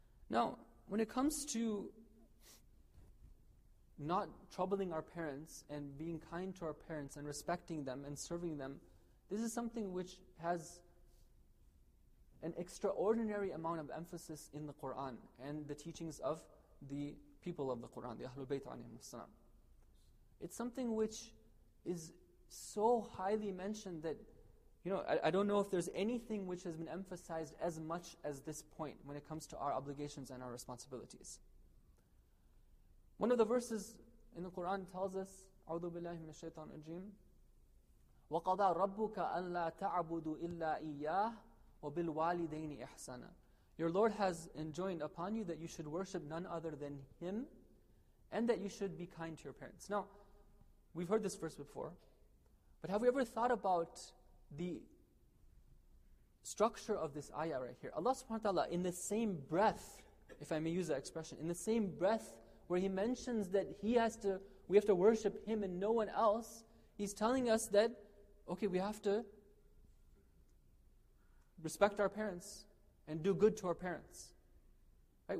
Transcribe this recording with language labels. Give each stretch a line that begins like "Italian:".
English: Now, when it comes to not troubling our parents and being kind to our parents and respecting them and serving them, this is something which has an extraordinary amount of emphasis in the Qur'an and the teachings of the people of the Qur'an, the Ahlul Bayt alayhim as-salam. It's something which is so highly mentioned that, you know, I don't know if there's anything which has been emphasized as much as this point when it comes to our obligations and our responsibilities. One of the verses in the Qur'an tells us,
Arabic: أَعُوذُ بِاللَّهِ مِنَ الشَّيْطَانِ الرَّجِيمِ وَقَضَى رَبُّكَ أَلَّا تَعْبُدُ إِلَّا إِيَّاهِ وَبِالْوَالِدَيْنِ إِحْسَنًا.
English: Your Lord has enjoined upon you that you should worship none other than Him and that you should be kind to your parents. Now, we've heard this verse before, but have we ever thought about the structure of this ayah right here? Allah subhanahu wa ta'ala, in the same breath, if I may use that expression, in the same breath, where He mentions that we have to worship Him and no one else, He's telling us that, okay, we have to respect our parents and do good to our parents. Right?